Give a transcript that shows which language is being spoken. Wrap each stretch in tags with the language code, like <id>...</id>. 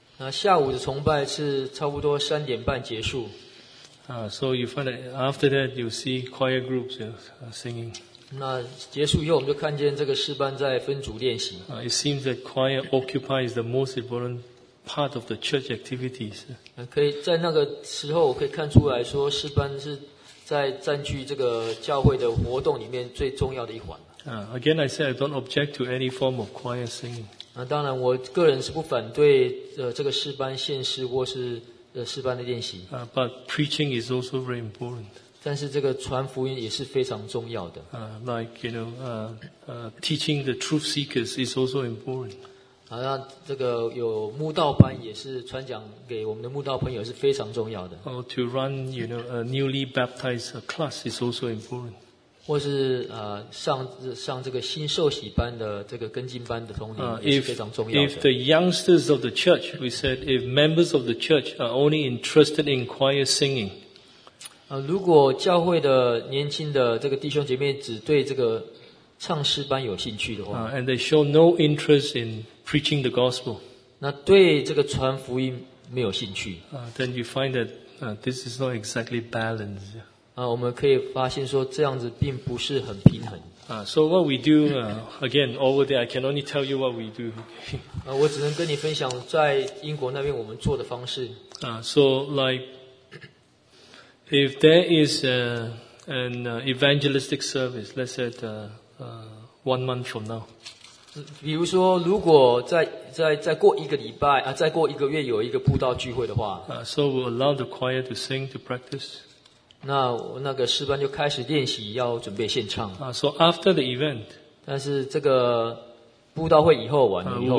<zh>下午的崇拜是差不多三点半结束。</zh> <en>So you find that after that you see choir groups singing.</en> <zh>那结束以后，我们就看见这个诗班在分组练习。</zh> <en>It seems that choir occupies the most important part of the church activities.</en> <zh>可以在那个时候，我可以看出来说，诗班是在占据这个教会的活动里面最重要的一环。</zh> <en>Again, I say I don't object to any form of choir singing.</en> <zh>当然，我个人是不反对这个诗班献诗或是诗班的练习。</zh> <en>But preaching is also very important.</en> <zh>但是这个传福音也是非常重要的。</zh> <en>Like you know, teaching the truth seekers is also important.</en> <zh>那这个有慕道班也是传讲给我们的慕道朋友是非常重要的。</zh> <en>Or to run, you know, a newly baptized class is also important.</en> <zh>或是上这个新受洗班的这个跟进班的同龄也是非常重要的。</zh> <en>If the youngsters of the church, we said, if members of the church are only interested in choir singing,</en> <zh>如果教会的年轻的这个弟兄姐妹只对这个唱诗班有兴趣的话</zh> <en>，and they show no interest in preaching the gospel,</en> <zh>那对这个传福音没有兴趣</zh> <en>，then you find that this is not exactly balanced.</en> <zh>我们可以发现说这样子并不是很平衡。</zh> <en>So what we do, again, over there, I can only tell you what we do.</en> <zh>我只能跟你分享在英国那边我们做的方式。</zh> <en>So like, if there is an evangelistic service, let's say one month from now.</en> <zh>比如说，如果再过一个礼拜再过一个月有一个布道聚会的话</zh> <en>，So we allow the choir to sing to practice.</en> <zh>那个诗班就开始练习，要准备献唱。</zh> <en>So after the event,</en> <zh>但是这个布道会以后完了以后</zh>